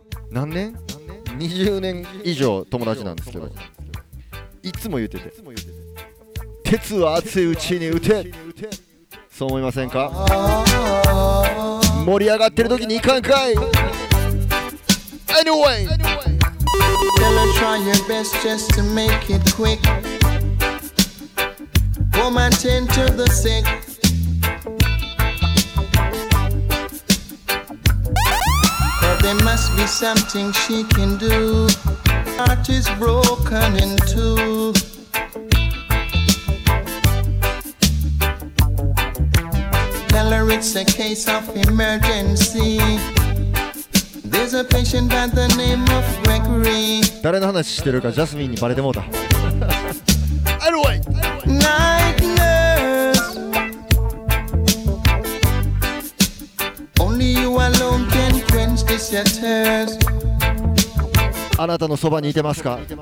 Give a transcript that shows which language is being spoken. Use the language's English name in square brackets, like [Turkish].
[Japanese] う何年 ?20 年以上友達なんですけど、いつも言ってて、鉄は熱いうちに打て。そう思いませんか。盛り上がってる時にいかんかい。 [English] Anyway Tell her try your best just to make it quick. Woman tend to the sick. But there must be something she can do. Heart is broken in two. It's a case of emergency. There's a patient by the name of Gregory. [Japanese] 誰の話してるかジャスミンにバレてもうた。 [English] Anyway Night nurse. Only you alone can quench this thirst. [Japanese] あなたのそばにいてますか。